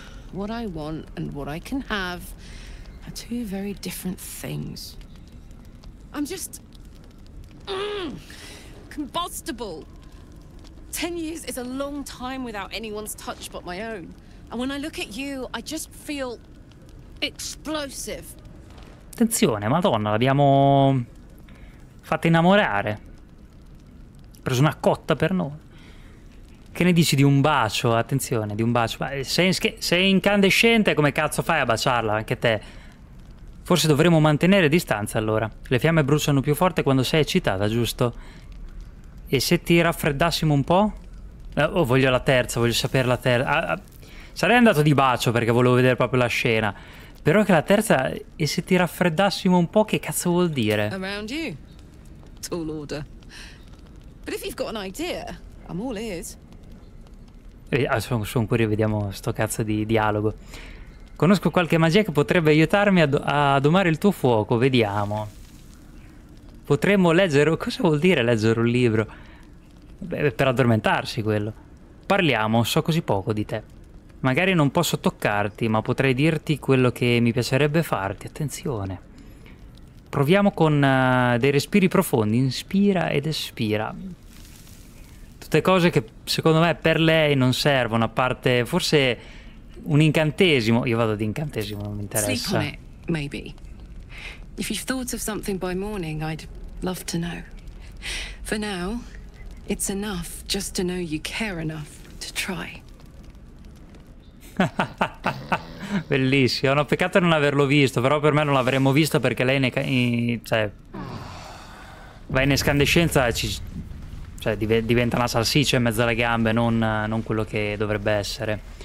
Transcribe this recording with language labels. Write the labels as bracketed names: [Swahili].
[English] What I want and what I can have are two very different things. I'm just... combustible. 10 years is a long time without anyone's touch but my own. And when I look at you, I just feel... explosive. [Italian] Attenzione, madonna, l'abbiamo... fatta innamorare. Preso una cotta per noi. Che ne dici di un bacio? Attenzione, di un bacio. Sei incandescente, come cazzo fai a baciarla? Anche te. Forse dovremmo mantenere distanza allora. Le fiamme bruciano più forte quando sei eccitata, giusto? E se ti raffreddassimo un po'? Oh, voglio la terza, voglio sapere la terza. Sarei andato di bacio perché volevo vedere proprio la scena. Però che la terza... E se ti raffreddassimo un po', che cazzo vuol dire? [English] Around you. Tall order. But if you've got an idea, I'm all ears. [Italian] Sono curioso, vediamo sto cazzo di dialogo. Conosco qualche magia che potrebbe aiutarmi a domare il tuo fuoco, vediamo. Potremmo leggere... Cosa vuol dire leggere un libro? Beh, per addormentarsi quello. Parliamo, so così poco di te. Magari non posso toccarti, ma potrei dirti quello che mi piacerebbe farti. Attenzione. Proviamo con dei respiri profondi. Inspira ed espira. Tutte cose che secondo me per lei non servono, a parte forse un incantesimo. Io vado di incantesimo, non mi interessa. [English] Sleep on it, maybe. If you've thought of something by morning, I'd love to know. For now, it's enough just to know you care enough to try. [Italian] Bellissimo, è un peccato non averlo visto, però per me non l'avremmo visto perché lei cioè va in escandescenza e diventa una salsiccia in mezzo alle gambe, non quello che dovrebbe essere.